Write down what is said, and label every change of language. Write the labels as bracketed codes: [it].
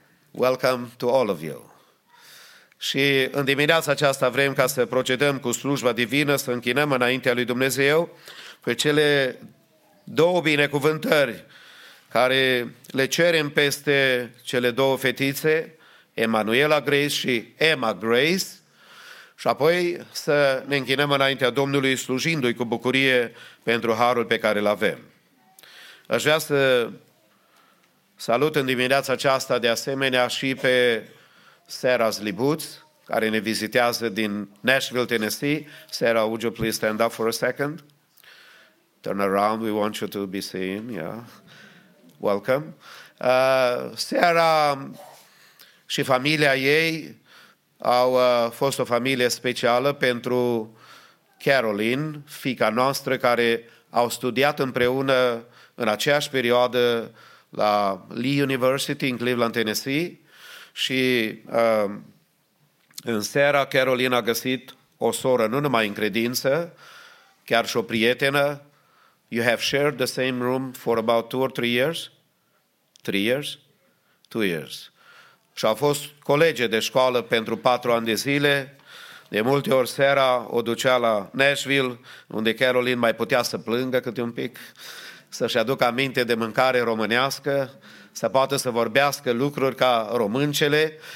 [en] Welcome to all of you. [ro] Și în dimineața aceasta vrem ca să procedăm cu slujba divină, să închinăm înaintea lui Dumnezeu pe cele două binecuvântări care le cerem peste cele două fetițe, Emanuela Grace și Emma Grace, și apoi să ne închinăm înaintea Domnului slujindu-i cu bucurie pentru harul pe care îl avem. Aș vrea să salut în dimineața aceasta de asemenea și pe Sarah Zlibuț, care ne vizitează din Nashville, Tennessee. [en] Sarah, would you please stand up for a second? Turn around, we want you to be seen, yeah. Welcome. [ro] Sarah și familia ei au fost o familie specială pentru Caroline, fiica noastră, care au studiat împreună în aceeași perioadă la Lee University în Cleveland, Tennessee. Și în seara Caroline a găsit o soră nu numai în credință, chiar și o prietenă. [en] You have shared the same room for about 2 or 3 years? 3 years? 2 years. [ro] Și au fost colege de școală pentru 4 ani de zile. De multe ori seara o ducea la Nashville, unde Caroline mai putea să plângă câte un pic, să-și aducă aminte de mâncare românească, să poată să vorbească lucruri ca româncele.